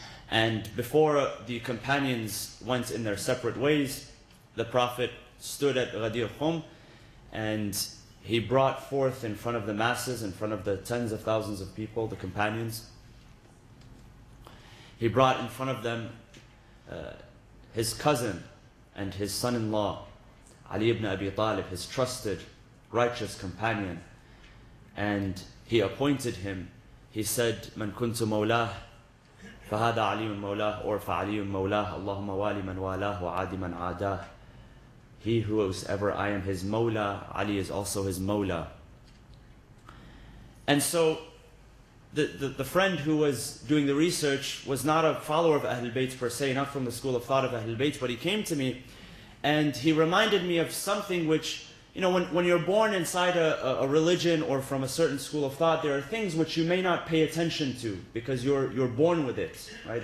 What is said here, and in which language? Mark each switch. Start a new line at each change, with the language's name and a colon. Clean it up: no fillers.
English: And before the companions went in their separate ways, the Prophet stood at Ghadir Khum and he brought forth in front of the masses, in front of the tens of thousands of people, the companions, he brought in front of them his cousin and his son-in-law, Ali ibn Abi Talib, his trusted, righteous companion. And he appointed him. He said,
Arabic: من كنت مولاه فهذا علي مولاه or فعلي مولاه اللهم والي من والاه وعادي من عاداه.
English: He who is ever I am his mawla, Ali is also his mawla. And so the friend who was doing the research was not a follower of Ahlul Bayt per se, not from the school of thought of Ahlul Bayt, but he came to me and he reminded me of something which, you know, when you're born inside a religion or from a certain school of thought, there are things which you may not pay attention to because you're born with it, right?